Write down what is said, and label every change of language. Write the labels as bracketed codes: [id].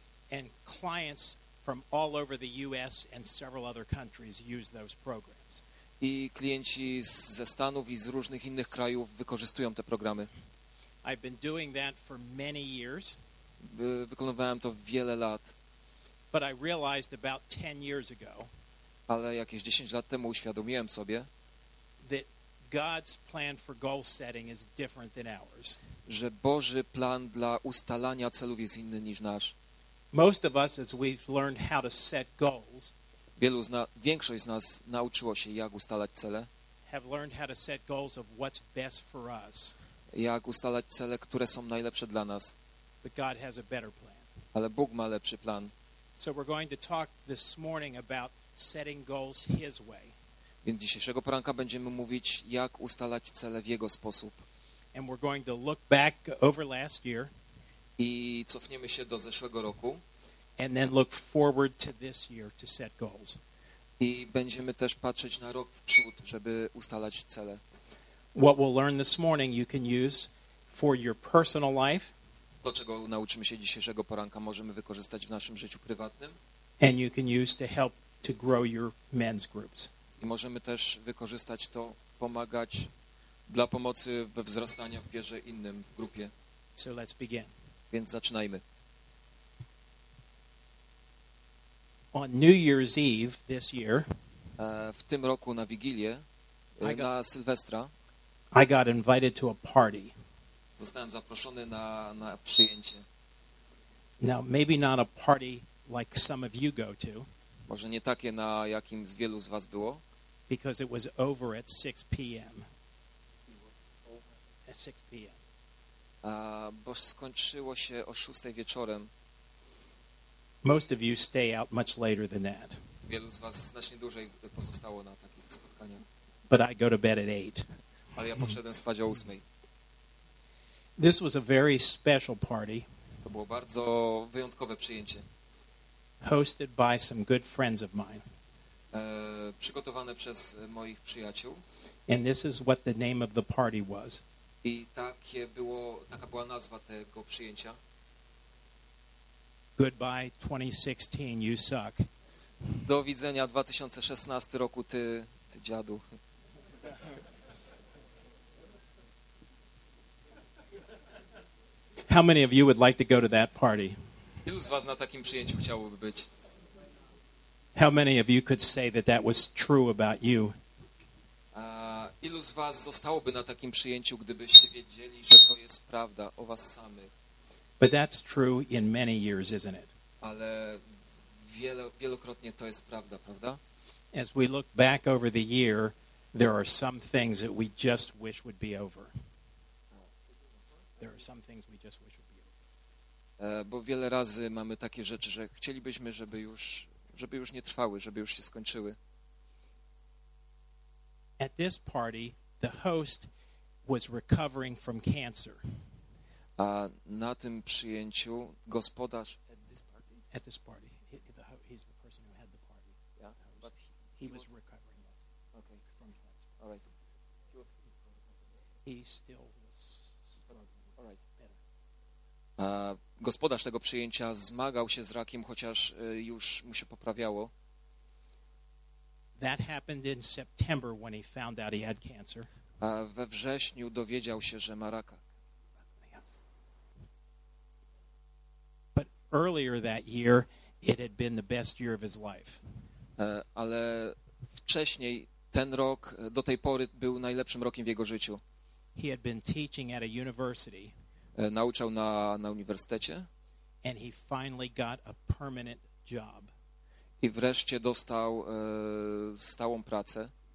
[en] And clients from all over the US and several other countries use those programs. [pl] I klienci ze Stanów i z różnych innych krajów wykorzystują te programy. [en] I've been doing that for many years. [pl] Wykonywałem to wiele lat. [en] But I realized about 10 years ago. [pl] Ale jakieś 10 lat temu uświadomiłem sobie, [en] that God's plan for goal setting is different than ours. [pl] Że Boży plan dla ustalania celów jest inny niż nasz. [en] Most of us, as we've learned how to set goals, [pl] większość z nas nauczyło się, jak ustalać cele, [en] have learned how to set goals of what's best for us. [pl] Jak ustalać cele, które są najlepsze dla nas. [en] But God has a better plan. [pl] Ale Bóg ma lepszy plan. [en] So we're going to talk this morning about setting goals His way. [pl] Więc dzisiejszego poranka będziemy mówić, jak ustalać cele w Jego sposób. [en] And we're going to look back over last year. [pl] I cofniemy się do zeszłego roku. [en] And then look forward to this year to set goals. [pl] I będziemy też patrzeć na rok w przód, żeby ustalać cele. [en] What we'll learn this morning you can use for your personal life. [pl] To, czego nauczymy się dzisiejszego poranka, możemy wykorzystać w naszym życiu prywatnym. [en] And you can use to help to grow your men's groups. [pl] I możemy też wykorzystać to, pomagać dla pomocy we wzrastaniu w wierze innym w grupie. [en] So let's begin. [pl] Więc zaczynajmy. [en] On New Year's Eve this year, [pl] w tym roku na Wigilię, na Sylwestra, [en] I got invited to a party. [pl] Zostałem zaproszony na przyjęcie. [en] Now, maybe not a party like some of you go to. [pl] Może nie takie, na jakim z wielu z was było. [en] Because it was over at 6 p.m. At 6 p.m. [pl] Bo skończyło się o 6 wieczorem. [en] Most of you stay out much later than that. [pl] Wielu z was znacznie dłużej pozostało na takich spotkaniach. [en] but I go to bed at 8. [pl] Ale ja poszedłem spać o 8. [en] This was a very special party. [pl] To było bardzo wyjątkowe przyjęcie. [en] Hosted by some good friends of mine. [pl] Przygotowane przez moich przyjaciół. [en] And this is what the name of the party was. [pl] I takie było, taka była nazwa tego przyjęcia. [en] Goodbye 2016, you suck. [pl] Do widzenia 2016 roku, ty dziadu. [en] How many of you would like to go to that party? [pl] Ilu z was na takim przyjęciu chciałoby być? [en] How many of you could say that that was true about you? [pl] Ilu z was zostałoby na takim przyjęciu, gdybyście wiedzieli, że to jest prawda o was samych? [en] But that's true in many years, isn't it? [pl] Ale wielokrotnie to jest prawda, prawda? [en] As we look back over the year, there are some things that we just wish would be over. There are some things we just wish would be over. [pl] Bo wiele razy mamy takie rzeczy, że chcielibyśmy, żeby już nie trwały, żeby już się skończyły. [en] At this party, the host was recovering from cancer. [pl] A na tym przyjęciu gospodarz. [en] At this party. At this party. He's the person who had the party. Yeah. The but he was recovering. Yes. Okay. From cancer. All right. He still was struggling. All right. Better. [pl] Gospodarz tego przyjęcia zmagał się z rakiem, chociaż już mu się poprawiało. [en] That happened in September when he found out he had cancer. [pl] A we wrześniu dowiedział się, że ma raka. [en] But earlier that year, it had been the best year of his life. [pl] Ale wcześniej ten rok do tej pory był najlepszym rokiem w jego życiu. [en] He had been teaching at a university. [pl] Nauczał na uniwersytecie. [en] And he finally got a permanent job. [pl] I wreszcie dostał stałą pracę.